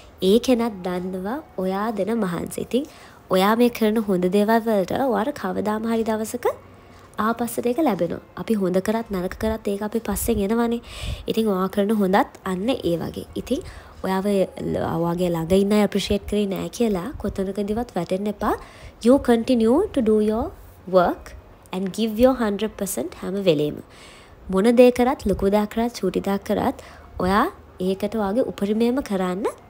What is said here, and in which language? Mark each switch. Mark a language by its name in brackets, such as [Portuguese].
[Sinhala] ඒ කෙනත් දන්නවා ඔයා දෙන මහන්සි. ඉතින් ඔයා මේ කරන හොඳ දේවල් වලට ඔයාර කවදාම හරි දවසක ආපස්සට ඒක ලැබෙනවා. අපි හොඳ කරත් නරක කරත් ඒක අපි පස්සෙන් එනවනේ. ඉතින් ඔයා කරන හොඳත් අන්න ඒ වගේ. ඉතින් ඔයාව ඔයාගේ ළඟ ඉන්න අය ඇප්‍රිෂියේට් කරේ නැහැ කියලා කොතනකදීවත් වැටෙන්න එපා. [English] You continue to do your work and give your 100% [Sinhala] හැම වෙලේම. මොන දේ කරත්, ලොකු දා කරත්, චූටි දා කරත් ඔයා ඒකට ඔයාගේ උපරිමයම කරන්න.